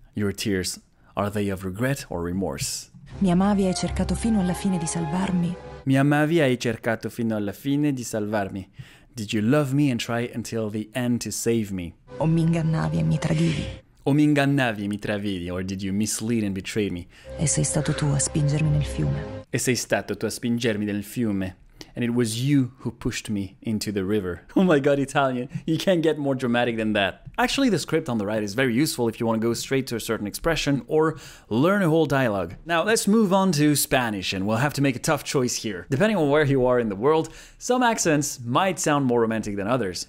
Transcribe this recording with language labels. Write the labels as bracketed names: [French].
[English] Your tears, are they of regret or remorse? [Italian] Mi amavi e hai cercato fino alla fine di salvarmi. Mi amavi e hai cercato fino alla fine di salvarmi. [English] Did you love me and try until the end to save me? [Italian] O mi ingannavi e mi tradivi. O mi ingannavi e mi tradivi, [English] or did you mislead and betray me? [Italian] E sei stato tu a spingermi nel fiume. E sei stato tu a spingermi nel fiume. [English] And it was you who pushed me into the river. Oh my god, Italian, you can't get more dramatic than that. Actually, the script on the right is very useful if you want to go straight to a certain expression or learn a whole dialogue. Now, let's move on to Spanish, and we'll have to make a tough choice here. Depending on where you are in the world, some accents might sound more romantic than others.